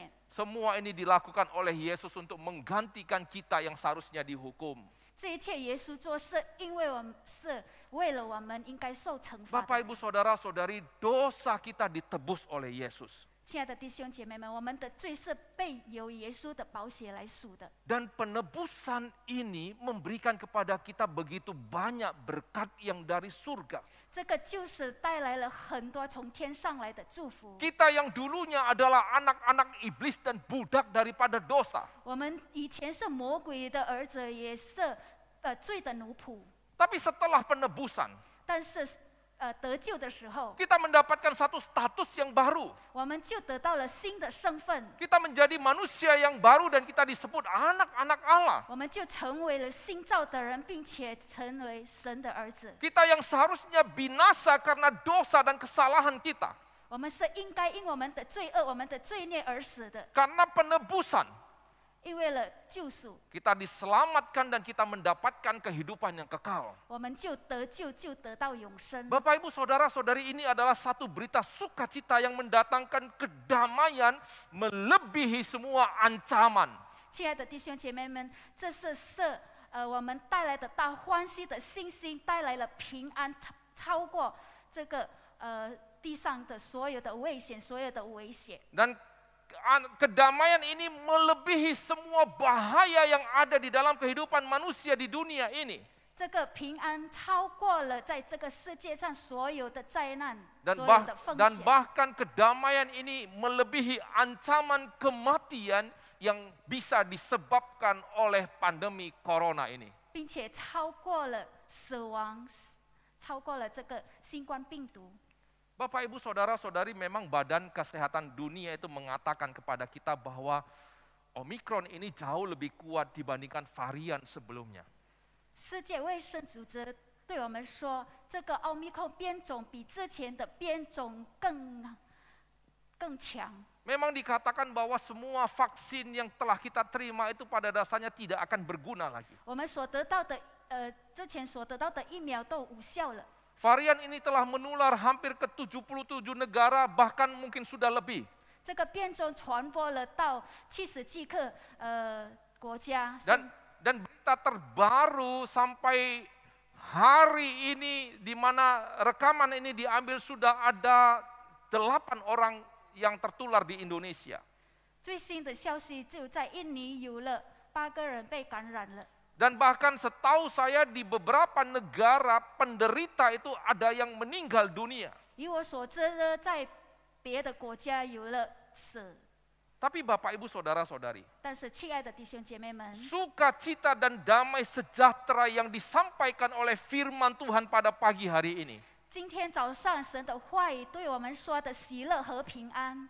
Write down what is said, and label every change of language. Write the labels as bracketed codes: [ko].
[id] Semua ini dilakukan oleh Yesus untuk menggantikan kita yang seharusnya dihukum. [zh] 这一切耶稣做是因为我们是为了我们应该受惩罚的。 [id] Bapak, Ibu, Saudara, Saudari, dosa kita ditebus oleh Yesus. [zh] 亲爱的弟兄姐妹们，我们的罪是被由耶稣的宝血来赎的。 [id] Dan penebusan ini memberikan kepada kita begitu banyak berkat yang dari surga. [zh] 这个就是带来了很多从天上来的祝福。 [id] Kita yang dulunya adalah anak-anak iblis dan budak daripada dosa. [zh] 我们以前是魔鬼的儿子，也是罪的奴仆。 [id] Tapi setelah penebusan. [zh] 但是得救的时候 [id] kita mendapatkan satu status yang baru. [zh] 我们就得到了新的身份。 [id] Kita menjadi manusia yang baru dan kita disebut anak-anak Allah. [zh] 我们就成为了新造的人，并且成为神的儿子。 [id] Kita yang seharusnya binasa karena dosa dan kesalahan kita. [zh] 我们是应该因我们的罪恶、我们的罪孽而死的。 [id] Karena penebusan. [zh] 因为了救赎。 [id] Kita diselamatkan dan kita mendapatkan kehidupan yang kekal. [zh] 我们就得救，就得到永生。 [id] Bapak, Ibu, Saudara, Saudari, ini adalah satu berita sukacita yang mendatangkan kedamaian melebihi semua ancaman. [zh] 亲爱的弟兄姐妹们，这是是我们带来的大欢喜的信心，带来了平安，超过这个地上的所有的危险，所有的危险。 [id] Dan kedamaian ini melebihi semua bahaya yang ada di dalam kehidupan manusia di dunia ini. [zh] 这个平安超过了在这个世界上所有的灾难， [id] dan bahkan kedamaian ini melebihi ancaman kematian yang bisa disebabkan oleh pandemi corona ini. [zh] 并且超过了死亡，超过了这个新冠病毒。 [id] Bapak, Ibu, Saudara, Saudari, memang badan kesehatan dunia itu mengatakan kepada kita bahwa Omikron ini jauh lebih kuat dibandingkan varian sebelumnya. [zh] 世界卫生组织对我们说，这个 Omikron 变种比之前的变种更强。 [id] Memang dikatakan bahwa semua vaksin yang telah kita terima itu pada dasarnya tidak akan berguna lagi. [zh] 我们所得到的，之前所得到的疫苗都无效了。 [id] Varian ini telah menular hampir ke 77 negara, bahkan mungkin sudah lebih. [zh] 这个变种传播了到70几个国家。 [id] Dan berita terbaru sampai hari ini di mana rekaman ini diambil sudah ada 8 orang yang tertular di Indonesia. [zh] 最新的消息就在印尼有了8个人被感染了。 [id] Dan bahkan setahu saya di beberapa negara penderita itu ada yang meninggal dunia. [zh] 以我所知呢，在别的国家有了死。 [id] Tapi Bapak, Ibu, Saudara, Saudari. [zh] 但是亲爱的弟兄姐妹们。 [id] Sukacita dan damai sejahtera yang disampaikan oleh firman Tuhan pada pagi hari ini. [zh] 今天早上神的话语对我们说的喜乐和平安。